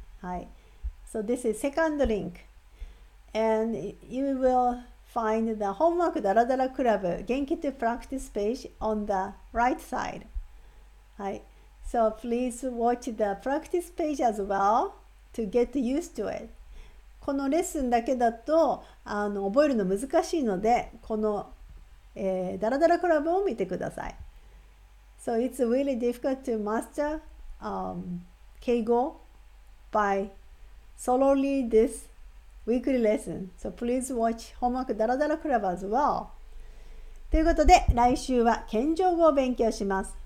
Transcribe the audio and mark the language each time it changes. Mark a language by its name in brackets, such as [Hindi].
[English] はい、so this is second link and you will find the homework だらだらクラブ元気と practice page on the right side. はい、so please watch the practice page as well to get used to it. [Japanese] このレッスンだけだと覚えるの難しいので、この、ダラダラクラブを見てください。 [English] So it's really difficult to master 敬語 by solely this weekly lesson, so please watch homework ダラダラクラブ as well. [Japanese] ということで、来週は謙譲語を勉強します。